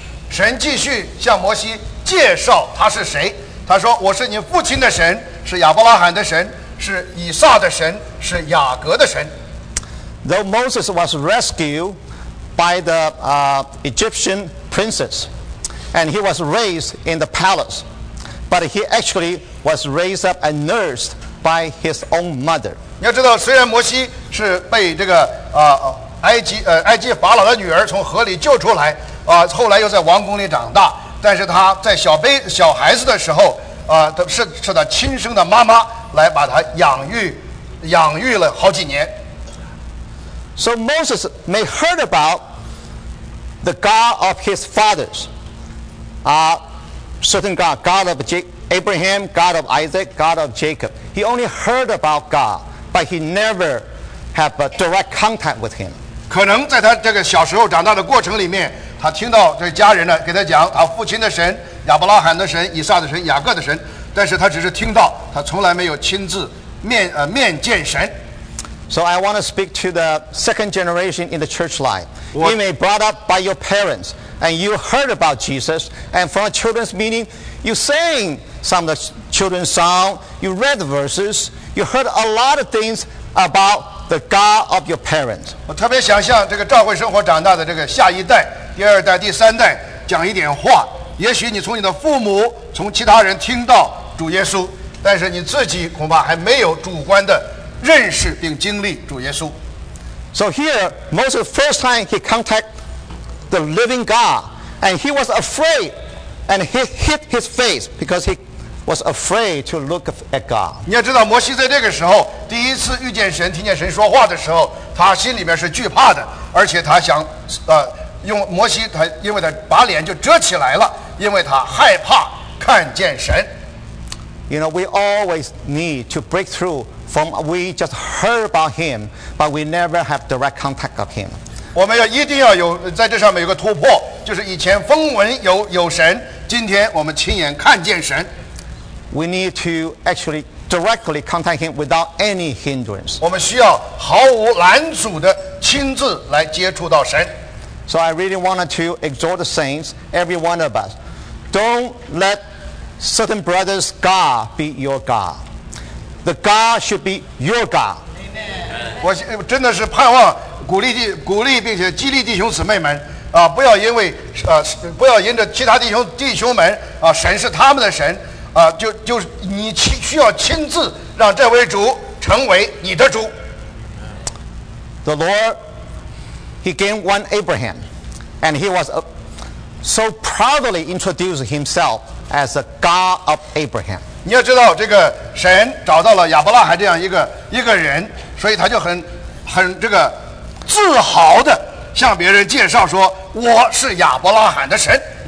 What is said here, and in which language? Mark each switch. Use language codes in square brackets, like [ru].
[zh] 神继续向摩西介绍他是谁。他说我是你父亲的神，是亚伯拉罕的神，是以撒的神，是雅各的神。 [en] Though Moses was rescued by the Egyptian princess and he was raised in the palace, but he actually was raised up and nursed by his own mother. [zh] 你要知道，虽然摩西是被这个埃及法老的女儿从河里救出来，后来又在王宫里长大，但是他在小孩子的时候是他亲生的妈妈来把他养育了好几年。 [en] So Moses may heard about the God of his fathers, certain God of Abraham, God of Isaac, God of Jacob. He only heard about God, but he never have a direct contact with him. [zh] 可能在他这个小时候长大的过程里面，他听到这家人呢给他讲啊，父亲的神、亚伯拉罕的神、以撒的神、雅各的神，但是他只是听到，他从来没有亲自面见神。 [en] So I want to speak to the second generation in the church life. You may be brought up by your parents, and you heard about Jesus, and from a children's meeting, you sang some of the children's song, you read the verses, you heard a lot of things about the God of your parents. [zh] 我特别想向这个教会生活长大的这个下一代、第二代、第三代讲一点话。也许你从你的父母、从其他人听到主耶稣，但是你自己恐怕还没有主观的认识并经历主耶稣。 [en] So here, Moses first time he contact the living God, and he was afraid, and he hid his face because he was afraid to look at God. [zh] 你要知道，摩西在这个时候第一次遇见神、听见神说话的时候，他心里面是惧怕的，而且他想，用摩西他因为他把脸就遮起来了，因为他害怕看见神。 [en] You know, we always need to break through from we just heard about him, but we never have direct contact of him. [zh] 我们要一定要有在这上面有个突破，就是以前风闻有神，今天我们亲眼看见神。 [en] We need to actually directly contact him without any hindrance. [zh] 我们需要毫无拦阻的亲自来接触到神。 [en] So I really wanted to exhort the saints, every one of us, don't let certain brothers' God be your God. The God should be your God. Amen. [zh] 我真的是盼望鼓励并且激励弟兄姊妹们啊，不要因为不要因着其他弟兄们啊，神是他们的神啊，就你需要亲自让这位主成为你的主。 [en] The Lord. He gave one Abraham, and he was so proudly introduced himself as the God of Abraham. [zh] 你要知道，这个神找到了亚伯拉罕这样一个人，所以他就很这个自豪的向别人介绍说，我是亚伯拉罕的神。